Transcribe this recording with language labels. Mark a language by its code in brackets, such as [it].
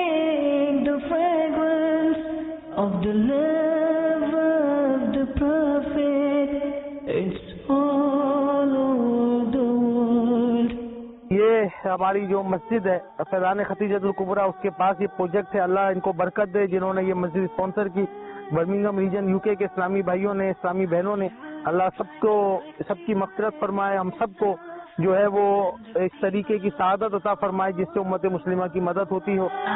[en] Of the love of the prophet, it's all over the world. [ur] یہ ہماری جو مسجد ہے فیضان خدیجۃ الکبریٰ, اس کے پاس یہ پروجیکٹ ہے. اللہ ان کو برکت دے جنہوں نے یہ مسجد اسپانسر کی. برمنگھم ریجن یو کے اسلامی بھائیوں نے, اسلامی بہنوں نے, اللہ سب کو, سب کی مغفرت فرمائے, ہم سب کو جو ہے وہ ایک طریقے کی سعادت عطا فرمائے جس سے امت مسلمہ کی مدد ہوتی ہو.